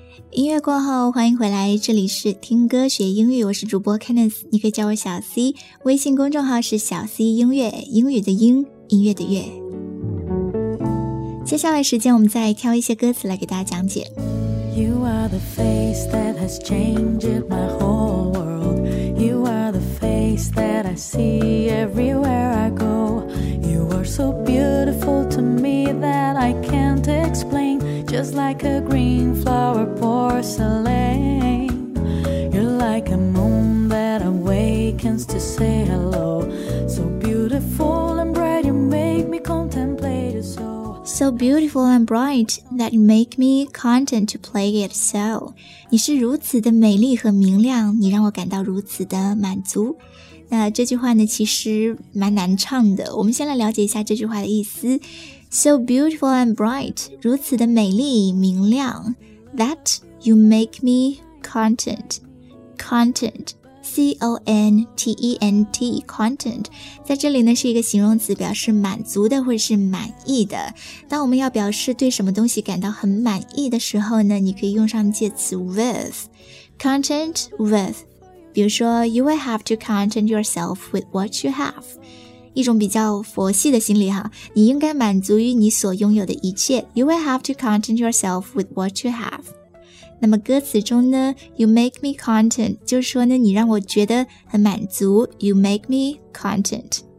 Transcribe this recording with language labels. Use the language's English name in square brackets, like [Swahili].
[Chinese] 音乐过后，欢迎回来，这里是听歌学英语，我是主播 Candice， 你可以叫我小 C， 微信公众号是小 C 音乐，英语的英，音乐的乐。接下来时间我们再挑一些歌词来给大家讲解。 [English] You are the face that has changed my whole world. You are the face that I see everywhere I go. You are so beautiful to me that I can't explainJust like a green flower porcelain. You're like a moon that awakens to say hello. So beautiful and bright, you make me contemplate it so. so beautiful and bright that you make me content to play it so. [Chinese] 你是如此的美丽和明亮，你让我感到如此的满足。那这句话呢，其实蛮难唱的。我们先来了解一下这句话的意思。 [English] So beautiful and bright, [Chinese] 如此的美丽明亮 [English] that you make me content. Content, C-O-N-T-E-N-T, content. [Chinese] 在这里呢是一个形容词，表示满足的或是满意的。当我们要表示对什么东西感到很满意的时候呢，你可以用上介词 with. [English] Content with. [Chinese] 比如说 [English] You will have to content yourself with what you have [Chinese] 一种比较佛系的心理哈，你应该满足于你所拥有的一切 [English] You will have to content yourself with what you have [Chinese] 那么歌词中呢 [English] You make me content [Chinese] 就是说呢你让我觉得很满足 [English] You make me content